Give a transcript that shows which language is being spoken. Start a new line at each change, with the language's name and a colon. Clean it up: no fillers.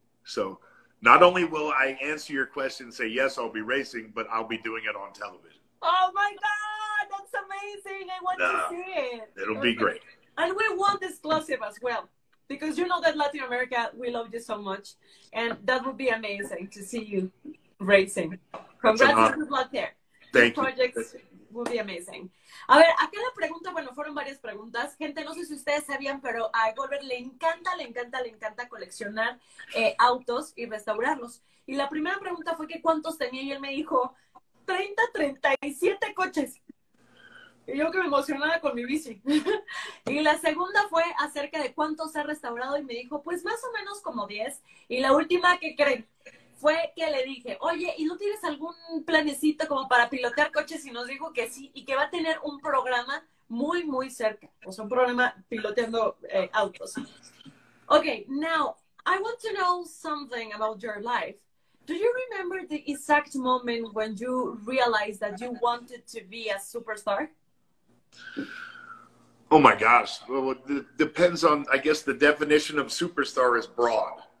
English: So not only will I answer your question and say, yes, I'll be racing, but I'll be doing it on television. Oh, my God. That's amazing. I want to see it. It'll be great. And we want the exclusive as well, because you know that Latin America, we love you so much. And that would be amazing to see you racing. Congrats. Good luck there. Thank you. Would be amazing.
Spanish: A ver, acá la pregunta, bueno, fueron varias preguntas. Gente, no sé si ustedes sabían, pero a Glodberg le encanta coleccionar autos y restaurarlos. Y la primera pregunta fue que cuántos tenía y él me dijo, 37 coches. Y yo que me emocionaba con mi bici. Y la segunda fue acerca de cuántos ha restaurado y me dijo, pues más o menos como 10. Y la última, ¿qué creen? Fue que le dije, oye, ¿y no tienes algún planecito como para pilotear coches? Y nos dijo que sí, y que va a tener un programa muy, muy cerca. O sea, un programa piloteando autos.
English: Okay, now, I want to know something about your life. Do you remember the exact moment when you realized that you wanted to be a superstar? Oh my gosh. Well, it depends on, I guess the definition of superstar is broad.